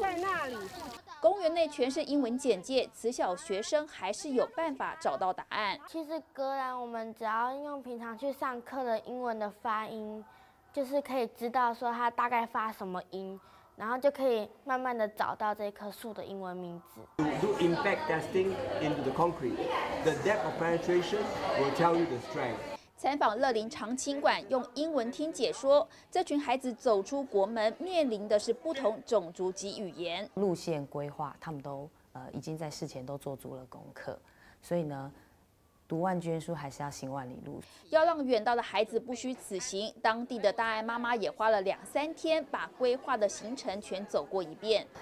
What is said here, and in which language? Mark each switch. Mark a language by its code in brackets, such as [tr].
[zh] 在那里。公园内全是英文简介，慈小学生还是有办法找到答案。其实格兰，我们只要用平常去上课的英文的发音，就是可以知道说它大概发什么音。然后就可以慢慢的找到这棵树的英文名字。 [en] Do impact testing into the concrete. The depth of penetration will tell you the strength. [zh] 采访乐林长青馆，用英文听解说，这群孩子走出国门，面临的是不同种族及语言。路线规划，他们都已经在事前都做足了功课，所以呢，读万卷书还是要行万里路。要让远道的孩子不虚此行，当地的大爱妈妈也花了两三天，把规划的行程全走过一遍。